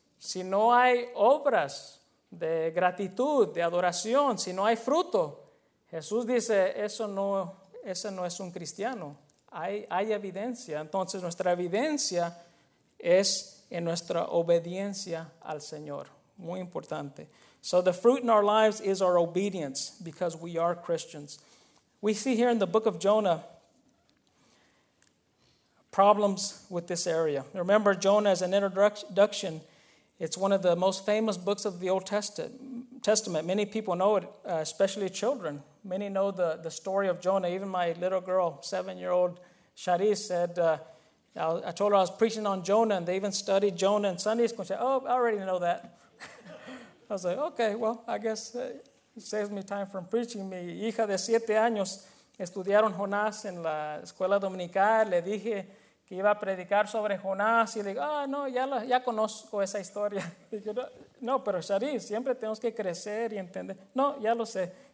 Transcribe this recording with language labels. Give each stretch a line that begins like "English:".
Spanish: Si no hay obras de gratitud, de adoración, si no hay fruto, Jesús dice, eso no es un cristiano. Hay evidencia. Entonces, nuestra evidencia es en nuestra obediencia al Señor. Muy importante.
English: So the fruit in our lives is our obedience because we are Christians. We see here in the book of Jonah problems with this area. Remember, Jonah as an introduction, it's one of the most famous books of the Old Testament. Many people know it, especially children. Many know the story of Jonah. Even my little girl, 7-year-old Sharice, said, I told her I was preaching on Jonah, and they even studied Jonah in Sunday school. She said, oh, I already know that. I was like, okay, well, I guess saves me time from preaching.
Spanish: Mi hija de 7 años estudiaron Jonás en la escuela dominical. Le dije que iba a predicar sobre Jonás y le digo, ah, no, ya conozco esa historia. Dije, no, pero Shari, siempre tenemos que crecer y entender. No, ya lo sé.